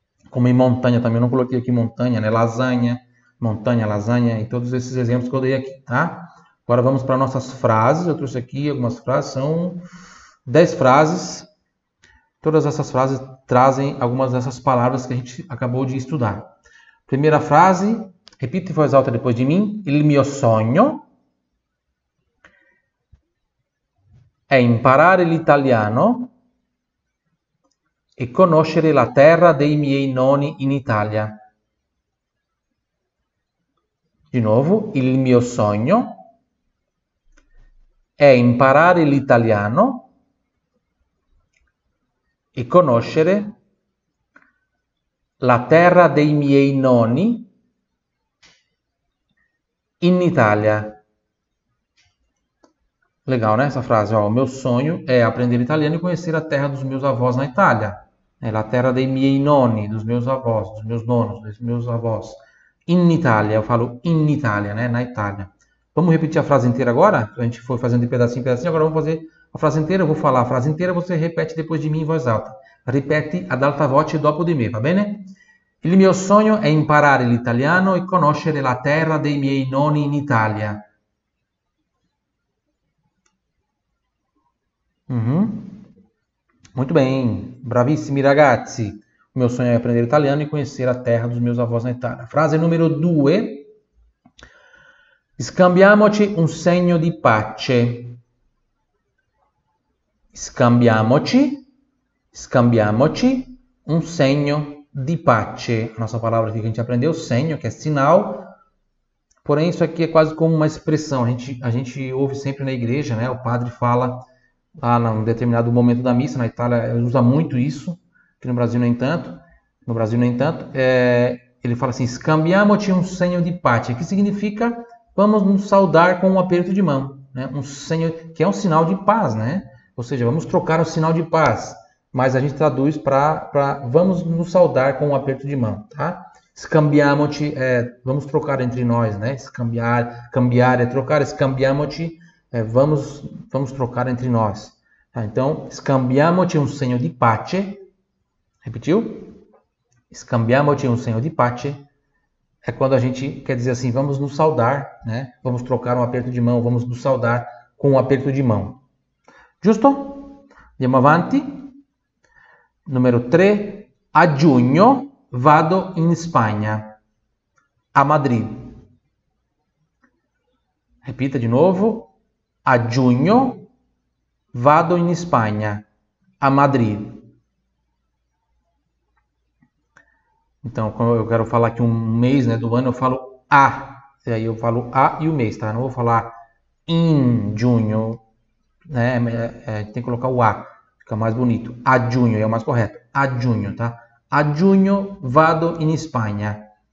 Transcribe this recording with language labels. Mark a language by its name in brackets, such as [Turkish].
[Portuguese] Como em montanha também. Eu não coloquei aqui montanha, né? Lasanha. Montanha, lasanha. E todos esses exemplos que eu dei aqui. Tá? Agora vamos para nossas frases. Eu trouxe aqui algumas frases. São 10 frases. Todas essas frases trazem algumas dessas palavras que a gente acabou de estudar. Primeira frase, repita em voz alta depois de mim. [Italian] Il mio sogno è imparare l'italiano e conoscere la terra dei miei nonni in Italia. Di nuovo, il mio sogno è imparare l'italiano e conoscere la terra dei miei nonni in Italia. [Portuguese] Legal, né? Essa frase, ó. O meu sonho é aprender italiano e conhecer a terra dos meus avós na Itália. É [Italian] la terra dei miei nonni, [Portuguese] dos meus avós, dos meus nonos, dos meus avós. [Italian] In Italia, [Portuguese] eu falo in Italia, né? Na Itália. Vamos repetir a frase inteira agora? A gente foi fazendo de pedacinho em pedacinho, agora vamos fazer a frase inteira. Eu vou falar a frase inteira, você repete depois de mim em voz alta. [Italian] Ripeti ad alta voce dopo di me, va bene? Il mio sogno è imparare l'italiano e conoscere la terra dei miei nonni in Italia. Molto bene, bravissimi ragazzi. Il mio sogno è apprendere l'italiano e conoscere la terra [Portuguese] dos meus avós [Italian] in Italia. Frase numero 2. Scambiamoci un segno di pace. Scambiamoci. Scambiamoci un segno di pace. [Portuguese] A nossa palavra aqui que a gente aprendeu, segno, que é sinal. Porém, isso aqui é quase como uma expressão. A gente ouve sempre na igreja, né? O padre fala lá num determinado momento da missa. Na Itália, ele usa muito isso. Aqui no Brasil, nem tanto. No Brasil, nem tanto. Ele fala assim: [Italian] Scambiamoci un segno di pace. [Portuguese] Que significa vamos nos saudar com um aperto de mão, né? Um segno, que é um sinal de paz, né? Ou seja, vamos trocar o sinal de paz. Mas a gente traduz para vamos nos saudar com um aperto de mão, tá? Scambiamoci, vamos trocar entre nós, né? Cambiare é trocar, scambiamoci, vamos trocar entre nós. Tá? [Italian] Então, scambiamoci un segno di pace, repetiu? Scambiamoci un segno di pace [Portuguese] é quando a gente quer dizer assim, vamos nos saudar, né? Vamos trocar um aperto de mão, vamos nos saudar com um aperto de mão. [Italian] Justo? Andiamo avanti. Numero 3, a giugno vado in Spagna, a Madrid. Ripeta di nuovo, a giugno vado in Spagna, a Madrid. [Portuguese] Então, quando eu quero falar aqui um mês, né, do ano, eu falo a, e aí eu falo a e o mês, tá? Não vou falar In junho, né? Tem que colocar o A, fica mais bonito. A junho é o mais correto. A junho, tá? A junho vado in Espanha.